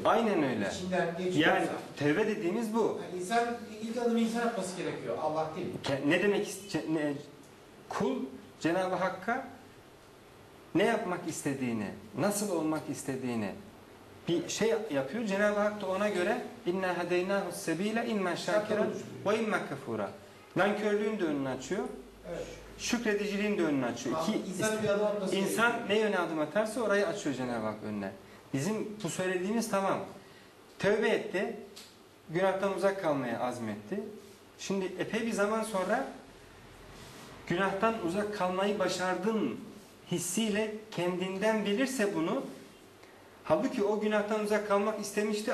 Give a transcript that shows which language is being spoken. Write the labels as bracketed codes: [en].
[tr] Aynen öyle. İçinden geçiyorsa. Yani tevbe dediğimiz bu. Yani insan ilk adımı insan yapması gerekiyor, Allah değil. Ne demek kul Cenab-ı Hakk'a ne yapmak istediğini, nasıl olmak istediğini bir şey yapıyor. Cenab-ı Hak da ona göre [ar] اِنَّا هَدَيْنَاهُ السَّب۪يلَ اِنَّا شَاكِرًا وَاِنَّا كَفُورًا. [tr] Nankörlüğün de önünü açıyor. Evet. Şükrediciliğin de önünü açıyor. İki, insan ne yöne adım atarsa orayı açıyor Cenab-ı Hak önüne. Bizim bu söylediğimiz tamam. Tövbe etti. Günahtan uzak kalmaya azmetti. Şimdi epey bir zaman sonra günahtan uzak kalmayı başardın hissiyle kendinden bilirse bunu, halbuki o günahtan uzak kalmak istemişti.